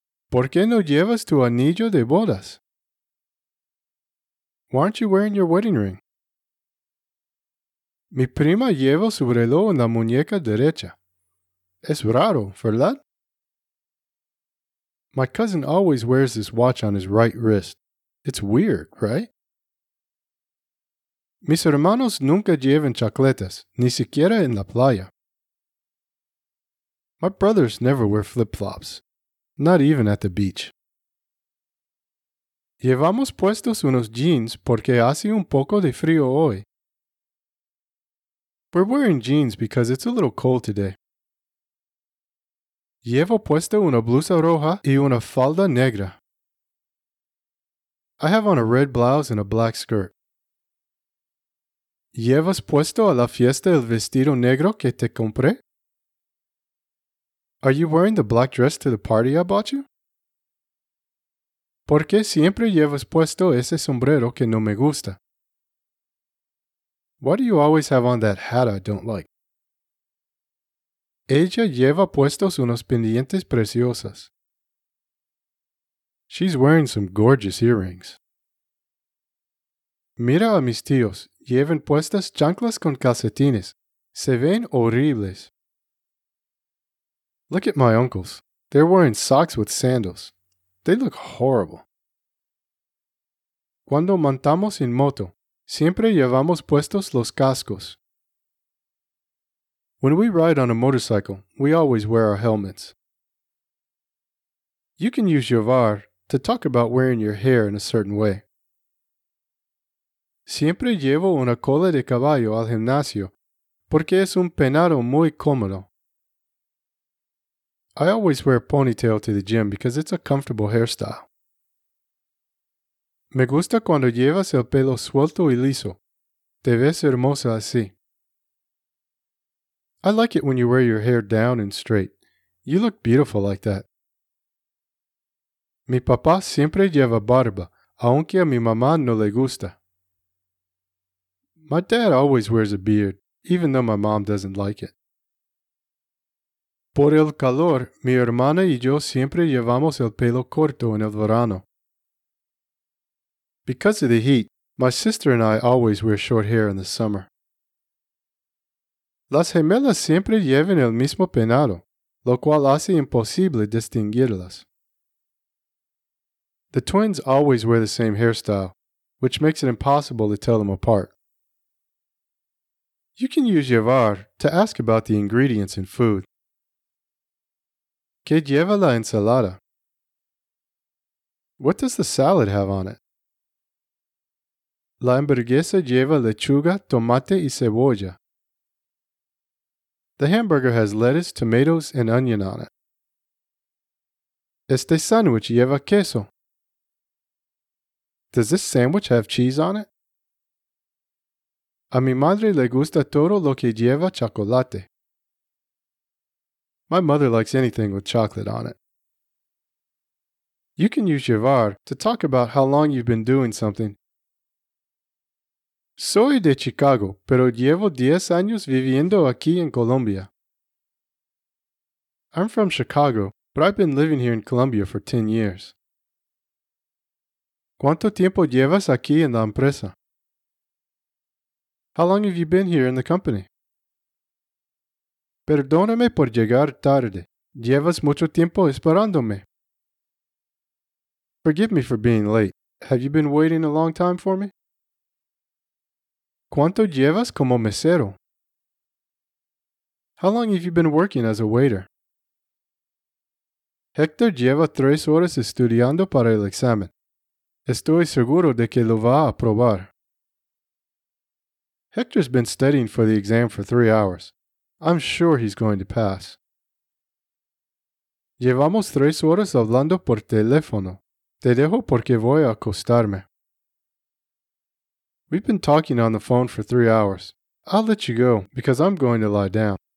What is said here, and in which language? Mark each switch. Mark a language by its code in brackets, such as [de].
[es] ¿Por qué no llevas tu anillo de bodas? [en] Why aren't you wearing your wedding ring? [es] Mi prima lleva su reloj en la muñeca derecha. Es raro, ¿verdad? [en] My cousin always wears this watch on his right wrist. It's weird, right? [es] Mis hermanos nunca llevan chacletas, ni siquiera en la playa. [en] My brothers never wear flip-flops, not even at the beach. [es] Llevamos puestos unos jeans porque hace un poco de frío hoy. [en] We're wearing jeans because it's a little cold today. [es] Llevo puesto una blusa roja y una falda negra. [en] I have on a red blouse and a black skirt. [es] ¿Llevas puesto a la fiesta el vestido negro que te compré? [en] Are you wearing the black dress to the party I bought you? [es] ¿Por qué siempre llevas puesto ese sombrero que no me gusta? [en] Why do you always have on that hat I don't like? [es] Ella lleva puestos unos pendientes preciosas. [en] She's wearing some gorgeous earrings. [es] Mira a mis tíos. Llevan puestas chanclas con calcetines. Se ven horribles. [en] Look at my uncles. They're wearing socks with sandals. They look horrible. [es] Cuando montamos en moto, siempre llevamos puestos los cascos. [en] When we ride on a motorcycle, we always wear our helmets. You can use llevar to talk about wearing your hair in a certain way. [es] Siempre llevo una cola de caballo al gimnasio porque es un peinado muy cómodo. [en] I always wear a ponytail to the gym because it's a comfortable hairstyle. [es] Me gusta cuando llevas el pelo suelto y liso. Te ves hermosa así. [en] I like it when you wear your hair down and straight. You look beautiful like that. [es] Mi papá siempre lleva barba, aunque a mi mamá no le gusta. [en] My dad always wears a beard, even though my mom doesn't like it. [es] Por el calor, mi hermana y yo siempre llevamos el pelo corto en el verano. [en] Because of the heat, my sister and I always wear short hair in the summer. [es] Las gemelas siempre llevan el mismo peinado, lo cual hace imposible distinguirlas. [en] The twins always wear the same hairstyle, which makes it impossible to tell them apart. You can use llevar to ask about the ingredients in food. [es] ¿Qué lleva la ensalada? [en] What does the salad have on it? [es] La hamburguesa lleva lechuga, tomate y cebolla. [en] The hamburger has lettuce, tomatoes, and onion on it. [es] Este sandwich lleva queso. [en] Does this sandwich have cheese on it? [es] A mi madre le gusta todo lo que lleva chocolate. [en] My mother likes anything with chocolate on it. You can use llevar to talk about how long you've been doing something. [es] Soy de Chicago, pero llevo 10 años viviendo aquí en Colombia. [en] I'm from Chicago, but I've been living here in Colombia for 10 years. [es] ¿Cuánto tiempo llevas aquí en la empresa? [en] How long have you been here in the company? [es] Perdóname por llegar tarde. Llevas mucho tiempo esperándome. [en] Forgive me for being late. Have you been waiting a long time for me? [es] ¿Cuánto llevas como mesero? [en] How long have you been working as a waiter? [es] Héctor lleva 3 horas estudiando para el examen. Estoy seguro de que lo va a aprobar. [en] Héctor's been studying for the exam for 3 hours. I'm sure he's going to pass. [es] Llevamos 3 horas hablando por teléfono. Te dejo porque voy a acostarme. [en] We've been talking on the phone for 3 hours. I'll let you go because I'm going to lie down.